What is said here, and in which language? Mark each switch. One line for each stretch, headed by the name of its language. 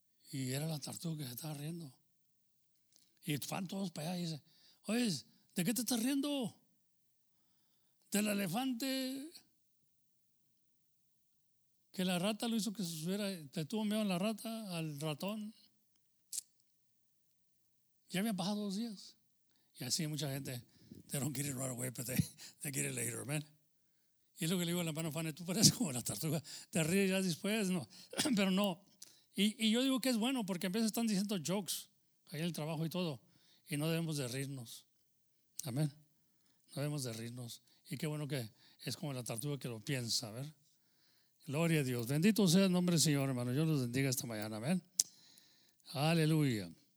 Spanish: Y era la tortuga que se estaba riendo. Y van todos para allá y dicen, oye, ¿de qué te estás riendo? Del elefante. Que la rata lo hizo que se subiera. Te tuvo miedo a la rata, al ratón. Ya habían pasado 2 días. Y así mucha gente,
English: they don't get it right away, but they get it later, man.
Spanish: Y es lo que le digo a la mano Fanny, tú pareces como la tortuga, te ríes ya después, no, pero no. Y yo digo que es bueno, porque a veces están diciendo jokes, ahí en el trabajo y todo, y no debemos de rirnos, amén, no debemos de rirnos. Y qué bueno que es como la tortuga que lo piensa, a ver. Gloria a Dios, bendito sea el nombre del Señor, hermano, yo los bendiga esta mañana, amén. Aleluya.